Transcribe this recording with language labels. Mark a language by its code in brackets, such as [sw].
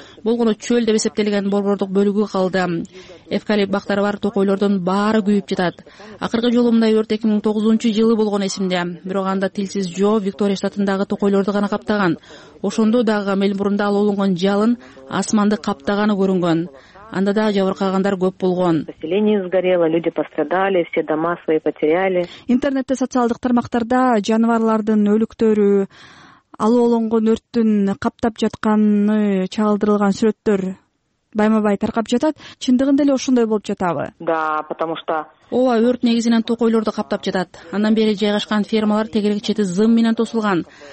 [ky] Болгону чөл деп эсептелген борбордук бөлүгү калды. Эвкалипт бактары бар токойлордун баары күйүп жатат. Акыркы жолу мындай өрт 2009 жылы болгон эсимде. Бирок анда тилсиз жоо Виктория штатындагы токойлорду гана каптаган. Ошондо дагы Мельбурнда алуулунган жалын асманды каптаганы көрүнгөн. Анда да жабыркагандар көп болгон. [ru] Население сгорело, люди пострадали, все дома свои потеряли. [ky] Интернетте, социалдык тармактарда жаныбарлардын өлүктөрү алууланган өрттүн каптап жатканы чагылдырылган сүрөттөр байма-бай таркап жатат. Чындыгында эле ошондой болуп жатабы? [ru] Да, потому что [ky] ооба, өрт негизинен токойлорду каптап жатат. Андан бери жайгашкан фермалар тегерек чети зым менен тосулган.